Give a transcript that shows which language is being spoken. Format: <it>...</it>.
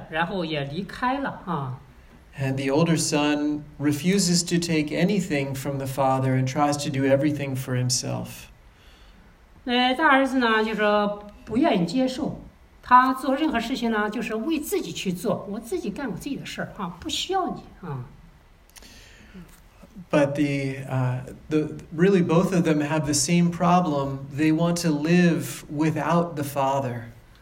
<zh>那我们看到了说，小儿子呢，拿了一切，然后也离开了啊。</zh> <en>And the older son refuses to take anything from the father and tries to do everything for himself.</en> <zh>那大儿子呢，就是不愿意接受，他做任何事情呢，就是为自己去做，我自己干我自己的事儿啊，不需要你啊。</zh> <en>But really both of them have the same problem. They want to live without the father.</en>